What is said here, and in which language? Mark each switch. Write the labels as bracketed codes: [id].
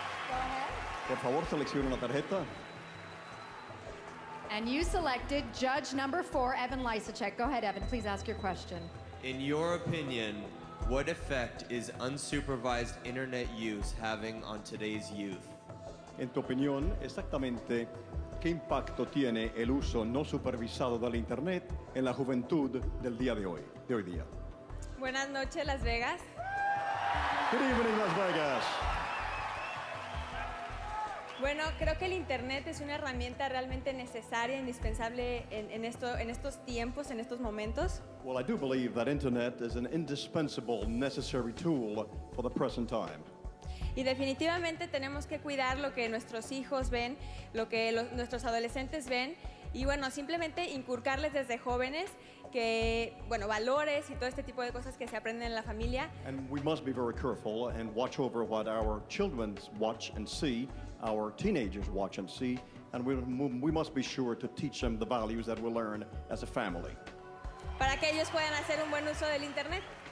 [en] Go ahead. [es] Por favor, seleccione una tarjeta. [en] And you selected judge number four, Evan Lysacek. Go ahead, Evan, please ask your question. In your opinion, what effect is unsupervised internet use having on today's youth? [es] En tu opinión, exactamente, ¿qué impacto tiene el uso no supervisado del internet en la juventud del día de hoy, de hoy día? Buenas noches, Las Vegas. [en] Good evening, Las Vegas. [es] Bueno, creo que el internet es una herramienta realmente necesaria, indispensable en estos tiempos, en estos momentos. [en] Well, I do believe that internet is an indispensable, necessary tool for the present time. [es] Y definitivamente tenemos que cuidar lo que nuestros hijos ven, lo que nuestros adolescentes ven, Y bueno, simplemente inculcarles desde jóvenes que, bueno, valores y todo este tipo de cosas que se aprenden en la familia. [en] And we must be very careful and watch over what our children watch and see, our teenagers watch and see, and we must be sure to teach them the values that we learn as a family. [es] Para que ellos puedan hacer un buen uso del internet.